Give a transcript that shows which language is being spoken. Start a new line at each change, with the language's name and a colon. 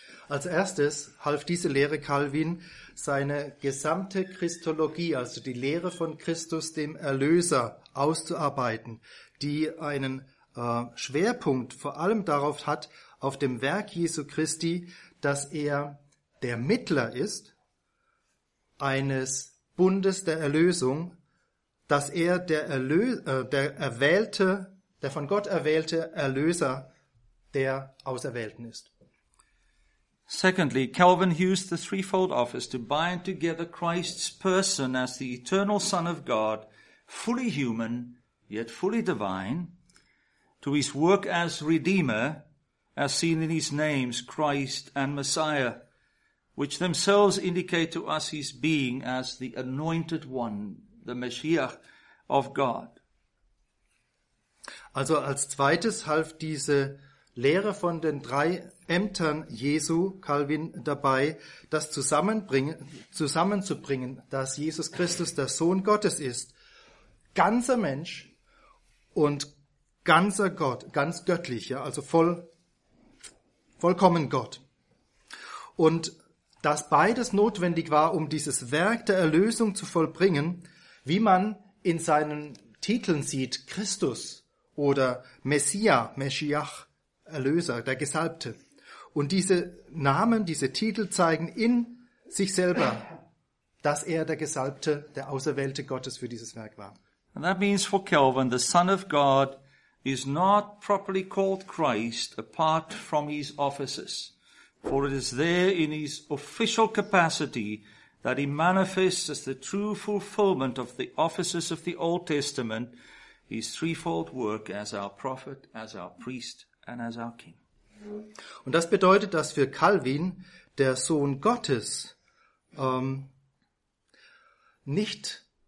German: Als erstes half diese Lehre Calvin, seine gesamte Christologie, also die Lehre von Christus, dem Erlöser, auszuarbeiten, die einen Schwerpunkt vor allem darauf hat, auf dem Werk Jesu Christi, dass er der Mittler ist eines Bundes der Erlösung, dass er der von Gott erwählte Erlöser der Auserwählten ist.
English: Secondly, Calvin used the threefold office to bind together Christ's person as the eternal Son of God, fully human, yet fully divine, to his work as Redeemer, as seen in his names, Christ and Messiah, which themselves indicate to us his being as the Anointed One, the Messiah of God.
German: Also als zweites half diese Lehre von den drei Ämtern Jesu, Calvin, dabei, das zusammenzubringen, dass Jesus Christus der Sohn Gottes ist, ganzer Mensch und ganzer Gott, ganz göttlich, ja, also vollkommen Gott. Und dass beides notwendig war, um dieses Werk der Erlösung zu vollbringen, wie man in seinen Titeln sieht, Christus oder Messiah, Meschiach, Erlöser, der Gesalbte. Und diese Namen, diese Titel zeigen in sich selber, dass er der Gesalbte, der Auserwählte Gottes für dieses Werk war.
English: And that means for Calvin, the Son of God is not properly called Christ apart from his offices, for it is there in his official capacity that he manifests as the true fulfillment of the offices of the Old Testament, his threefold work as our prophet, as our priest, and as our king.
German: Und das bedeutet, dass für Calvin der Sohn Gottes nicht